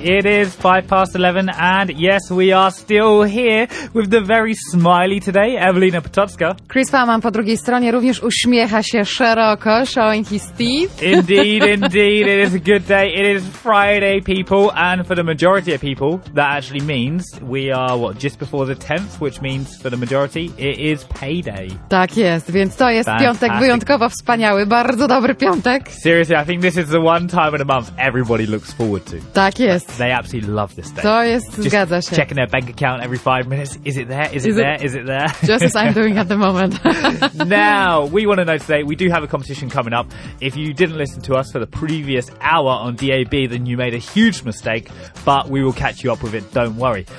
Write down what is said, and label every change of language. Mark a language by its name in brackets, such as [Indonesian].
[English] It is 11:05, and yes, we are still here with the very smiley today, Evelina Potocka. [Polish] Chris Palman po drugiej stronie również uśmiecha się szeroko, [English] showing his teeth. Indeed, it is a good day. It is Friday, people, and for the majority of people, that actually means we are, what, just before the 10th, which means for the majority, it is payday. [Polish] Tak jest, więc to jest Fantastic. Piątek wyjątkowo wspaniały, bardzo dobry piątek. [English] Seriously, I think this is the one time of the month everybody looks forward to. [Polish] Tak jest. [English] They absolutely love this day. [Polish] To jest, [English] just [Polish] zgadza się. [English] Checking their bank account every 5 minutes. Is it there? Just as I'm doing at the moment. Now, we want to know today, we do have a competition coming up. If you didn't listen to us for the previous hour on DAB, then you made a huge mistake, but we will catch you up with it, don't worry.